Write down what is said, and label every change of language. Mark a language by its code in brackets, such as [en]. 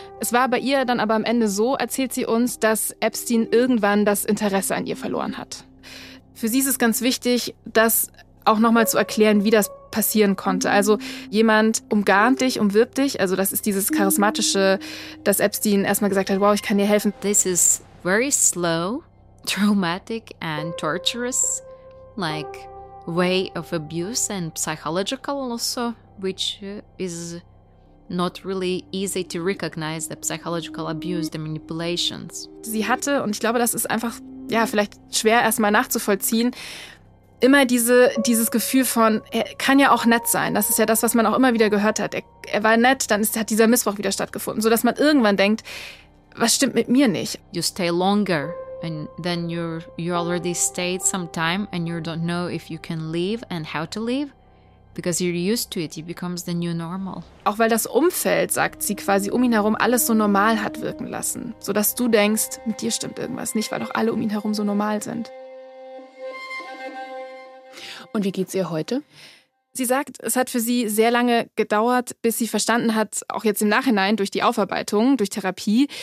[de] Es war bei ihr dann aber am Ende so, erzählt sie uns, dass Epstein irgendwann das Interesse an ihr verloren hat. Für sie ist es ganz wichtig, dass auch nochmal zu erklären, wie das passieren konnte. Also jemand umgarnt dich, umwirbt dich. Also das ist dieses Charismatische, dass Epstein erstmal gesagt hat, wow, ich kann dir helfen. [en] This is very slow, traumatic and torturous, like way of abuse and psychological also, which is not really easy to recognize the psychological abuse, the manipulations. [de] Sie hatte, und ich glaube, das ist einfach, ja, vielleicht schwer erstmal nachzuvollziehen, immer dieses Gefühl von, er kann ja auch nett sein. Das ist ja das, was man auch immer wieder gehört hat. Er war nett, dann hat dieser Missbrauch wieder stattgefunden. So dass man irgendwann denkt, was stimmt mit mir nicht? [en] You stay longer and then you already stayed some time and you don't know if you can leave and how to leave. Because you're used to it, it becomes the new normal. [de] Auch weil das Umfeld, sagt sie, quasi um ihn herum alles so normal hat wirken lassen. So dass du denkst, mit dir stimmt irgendwas nicht, weil doch alle um ihn herum so normal sind. Und wie geht's ihr heute? Sie sagt, es hat für sie sehr lange gedauert, bis sie verstanden hat, auch jetzt im Nachhinein durch die Aufarbeitung, durch Therapie.